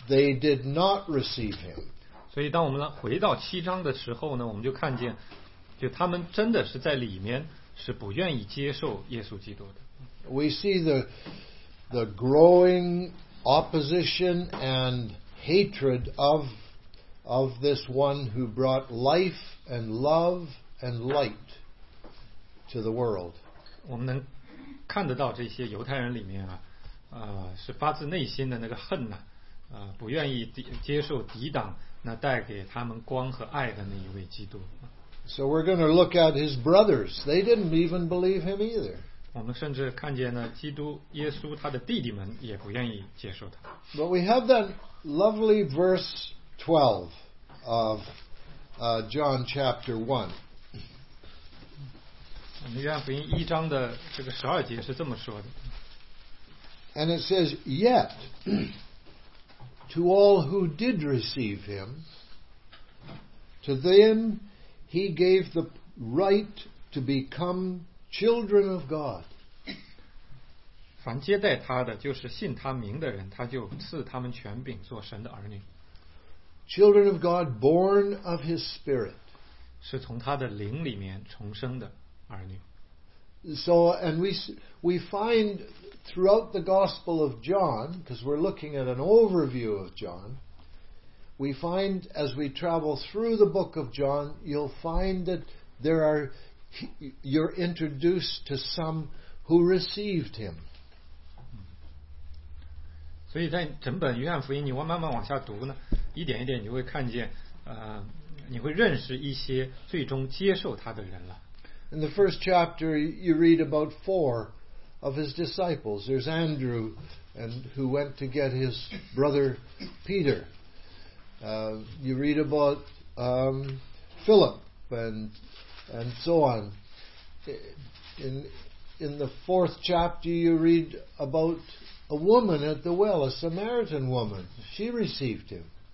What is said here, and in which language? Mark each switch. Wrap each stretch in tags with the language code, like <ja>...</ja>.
<en>They did not receive him.</en> <zh>所以当我们回到七章的时候呢，我们就看见，就他们真的是在里面是不愿意接受耶稣基督的。</zh> <en>We see the growing opposition and hatred of this one who brought life and love and light to the world.</en> <zh>我们能看得到这些犹太人里面啊，是发自内心的那个恨呐，不愿意接受抵挡那带给他们光和爱的那一位基督。</zh> <en>So we're going to look at his brothers. They didn't even believe him either.</en> <zh>我们甚至看见呢，基督耶稣他的弟弟们也不愿意接受他。</zh> <en>But we have that lovely verse 12 of John chapter 1.</en> <zh>约翰福音一章的这个十二节是这么说的。</zh> <en>And it says, Yet, to all who did receive him, to them he gave the right to become children of God.</en> <zh>凡接待他的就是信他名的人他就赐他们权柄做神的儿女</zh> <en>Children of God born of his spirit</en> <zh>是从他的灵里面重生的儿女</zh> <en>So and we find throughout the gospel of John because we're looking at an overview of John we find as we travel through the book of John you'll find that there are you're introduced to some who received him</en> <zh>所以在整本约翰福音你慢慢往下读呢一点一点你会看见你会认识一些最终接受他的人了</zh> <en>In the first chapter you read about four of his disciples there's Andrew and who went to get his brother Peter you read about Philip and so on in the fourth chapter you read aboutA woman at the well, a Samaritan woman, she received him.</en>